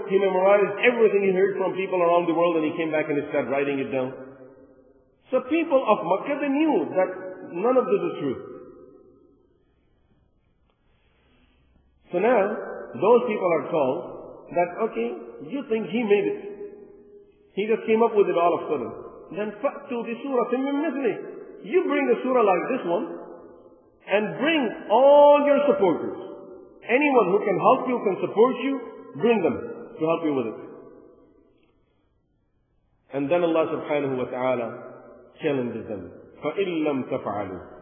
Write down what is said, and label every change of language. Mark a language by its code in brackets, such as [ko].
[en] He memorized everything he heard from people around the world and he came back and he started writing it down. So people of Makkah, they knew that none of this is true. So now, those people are told that, okay, you think he made it. He just came up with it all of a sudden. [ar] Then فَأْتُوا بِسُورَةٍ مِّمْ مِثْلِهِ. [en] You bring a surah like this one, and bring all your supporters. Anyone who can help you, can support you, bring them to help you with it. And then Allah subhanahu wa ta'ala challenges them. [ar] فَإِن لَمْ تَفْعَلُوا.